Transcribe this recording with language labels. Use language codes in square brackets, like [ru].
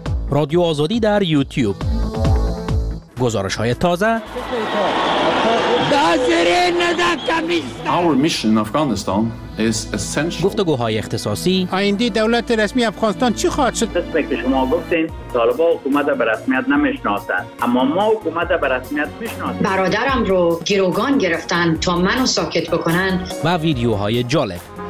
[fa] رادیو آزادی در یوتیوب، گزارش های تازه. [en] Our mission in Afghanistan is essential. [fa] گفتگوهای اختصاصی. آیندی دولت رسمی افغانستان چی خواهد شد؟ قسمی که شما گفتین طالبا حکومت به رسمیت نمیشناسن، اما ما حکومت به رسمیت میشناسیم. برادرم رو گروگان گرفتن تا منو ساکت بکنن. و ویدیوهای جالب.